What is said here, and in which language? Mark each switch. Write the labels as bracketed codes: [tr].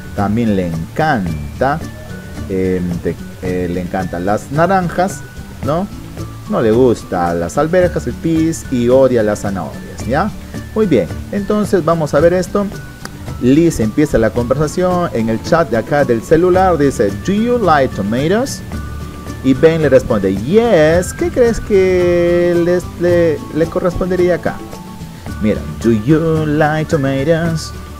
[es] También le encanta, le encantan las naranjas, ¿no? No le gusta las alberjas, el peas y odia las zanahorias, ¿ya? Muy bien, entonces vamos a ver esto. Liz empieza la conversación en el chat de acá del celular. Dice, [en] do you like tomatoes? [es] Y Ben le responde, yes. ¿Qué crees que le correspondería acá? Mira, [en] do you like tomatoes?